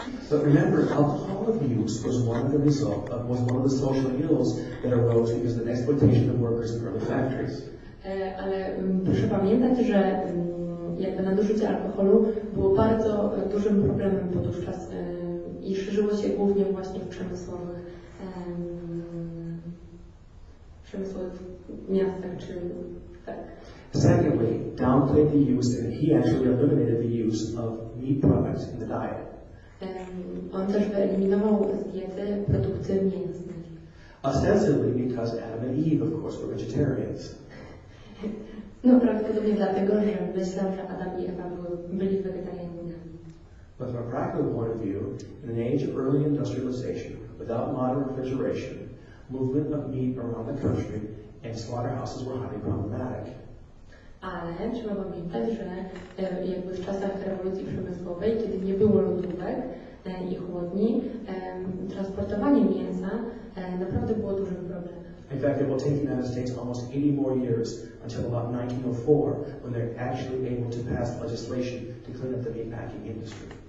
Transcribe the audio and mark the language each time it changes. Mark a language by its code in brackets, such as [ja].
[en] But remember, alcohol abuse was one of the result of, was one of the social ills that arose because of the exploitation of workers in early factories. [pl] Ale proszę pamiętać, że jakby nadużycie alkoholu było bardzo dużym problemem podówczas i szerzyło się głównie właśnie w przemysłowych miastach, czy tak. [en] Secondly, downplayed the use, and he actually eliminated the use of meat products in the diet. [pl] On też wyeliminował z diety produkty mięsne. [en] Ostensibly because Adam and Eve, of course, were vegetarians. [pl] No, prawdopodobnie dlatego, że myślałam, że Adam i Ewa byli wegetarianami. [en] But from a practical point of view, in an age of early industrialization, without modern refrigeration, movement of meat around the country and slaughterhouses were highly problematic. [pl] Ale trzeba pamiętać, że jakby w czasach rewolucji przemysłowej, kiedy nie było lodówek i chłodni, transportowanie mięsa naprawdę było dużym problemem. [en] In fact, it will take the United States almost 80 more years until about 1904, when they're actually able to pass legislation to clean up the meatpacking industry.